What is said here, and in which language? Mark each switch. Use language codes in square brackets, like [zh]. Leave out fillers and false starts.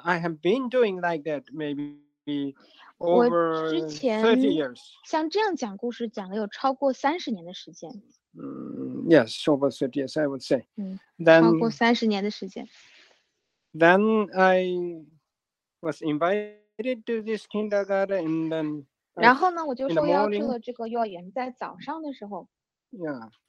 [en] I have been doing like that maybe over 30 years. [zh] 像这样讲故事讲了有超过30年的时间。Yes, [en] over 30 years, I would say. [zh] 超过30年的时间。Then [en] I was invited to this kindergarten, and then [zh] 然后呢，我就受邀去了这个幼儿园，在早上的时候。Yeah,